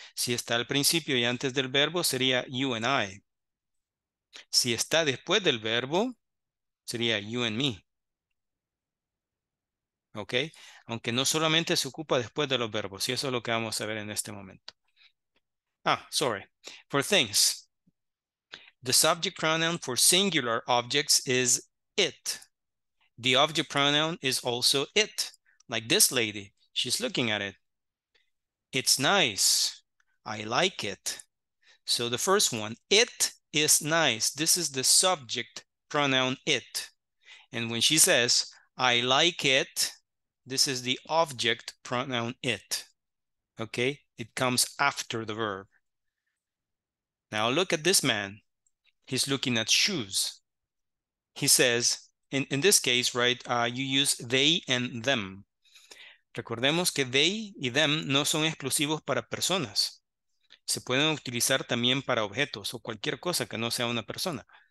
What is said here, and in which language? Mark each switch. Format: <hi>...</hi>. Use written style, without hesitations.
<es>Si está al principio y antes del verbo, sería</es> <en>you and I.</en> <es>Si está después del verbo, sería</es> <en>you and me.</en> <es>¿Ok? Aunque no solamente se ocupa después de los verbos. Y eso es lo que vamos a ver en este momento.</es> <en>Ah, sorry. For things. The subject pronoun for singular objects is it. The object pronoun is also it. Like this lady. She's looking at it. It's nice. I like it. So the first one. It is nice. This is the subject pronoun it. And when she says, I like it, this is the object pronoun it. Okay? It comes after the verb. Now look at this man. He's looking at shoes. He says, in this case, right, you use they and them.</en> <es>Recordemos que they y them no son exclusivos para personas. Se pueden utilizar también para objetos o cualquier cosa que no sea una persona.</es>